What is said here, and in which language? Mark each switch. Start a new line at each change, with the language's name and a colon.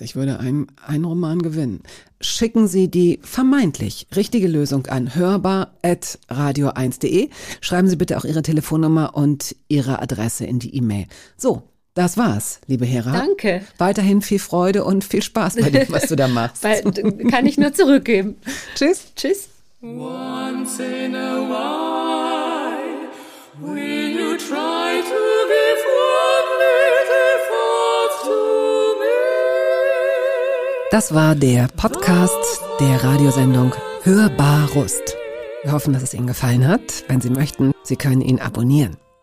German: Ich würde einen Roman gewinnen. Schicken Sie die vermeintlich richtige Lösung an hörbar@radio1.de. Schreiben Sie bitte auch Ihre Telefonnummer und Ihre Adresse in die E-Mail. So. Das war's, liebe Hera. Danke. Weiterhin viel Freude und viel Spaß bei dem, was du da machst. Kann ich nur zurückgeben. Tschüss. Tschüss.
English: Once in a while, will you try to give one little thought to me?
German: Das war der Podcast der Radiosendung Hörbar Rust. Wir hoffen, dass es Ihnen gefallen hat. Wenn Sie möchten, Sie können ihn abonnieren.